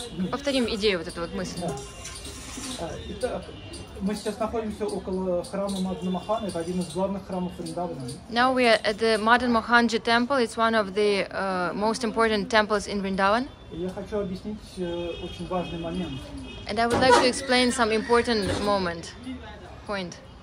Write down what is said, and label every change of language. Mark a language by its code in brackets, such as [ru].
[ru] Повторим идею, вот эту вот мысль. Да. Итак, мы сейчас находимся около храма Мадана Махана, это один из главных храмов Вриндавана. [en] Now we are at the Madan Mohanji temple, it's one of the most important temples in Vrindavan. [ru] Я хочу объяснить очень важный момент. [en] And I would like to explain some important moment, point.